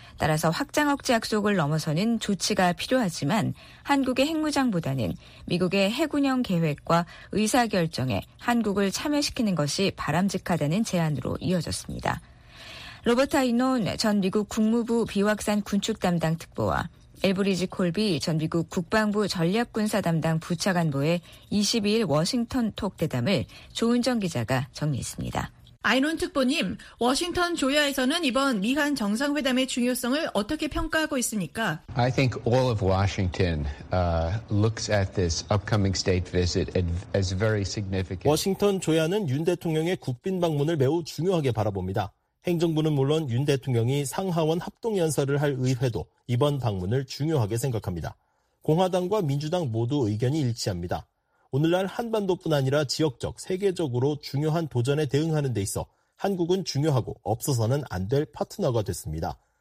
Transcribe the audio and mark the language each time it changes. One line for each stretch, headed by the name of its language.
Korean: 따라서 확장 억제 약속을 넘어서는 조치가 필요하지만 한국의 핵무장보다는 미국의 핵운영 계획과 의사결정에 한국을 참여시키는 것이 바람직하다는 제안으로 이어졌습니다. 로버트 아이논 전 미국 국무부 비확산 군축 담당 특보와 엘브리지 콜비 전 미국 국방부 전략군사 담당 부차관보의 22일 워싱턴 톡 대담을 조은정 기자가 정리했습니다. 아이론 특보님, 워싱턴 조야에서는 이번 미한 정상회담의 중요성을 어떻게 평가하고 있습니까?
English: I think all of Washington looks at this upcoming state visit as very significant.
Korean: 워싱턴 조야는 윤 대통령의 국빈 방문을 매우 중요하게 바라봅니다. 행정부는 물론 윤 대통령이 상하원 합동연설을 할 의회도 이번 방문을 중요하게 생각합니다. 공화당과 민주당 모두 의견이 일치합니다. 오늘날 한반도뿐 아니라 지역적, 세계적으로 중요한 도전에 대응하는 데 있어 한국은 중요하고 없어서는 안 될 파트너가 됐습니다.